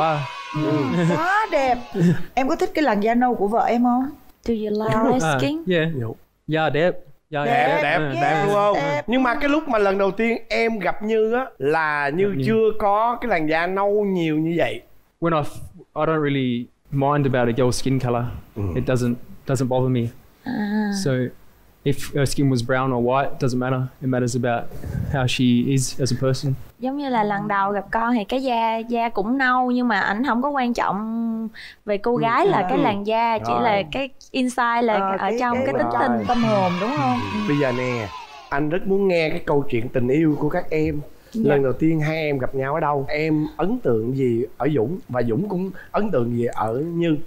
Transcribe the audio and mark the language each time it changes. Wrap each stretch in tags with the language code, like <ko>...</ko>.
<vi>Quá. Quá đẹp. Em có thích cái làn da nâu của vợ em không?</vi> <en>Do you like skin?</en> <vi>Yeah. Da đẹp. Da đẹp. Đẹp đúng không? Đẹp. Nhưng mà cái lúc mà lần đầu tiên em gặp Như á là Như chưa có cái làn da nâu nhiều như vậy.</vi> <en>When I don't really mind about a girl's skin color. It doesn't bother me. So if her skin was brown or white, doesn't matter. It matters about how she is as a person.</en> <vi>Giống như là lần đầu gặp con thì cái da cũng nâu nhưng mà ảnh không có quan trọng về cô gái là cái làn da, chỉ là cái inside là ở trong cái tính tình tâm hồn đúng không? Bây giờ nè, anh rất muốn nghe cái câu chuyện tình yêu của các em. Lần đầu tiên hai em gặp nhau ở đâu? Em ấn tượng gì ở Dũng và Dũng cũng ấn tượng gì ở Như?</vi>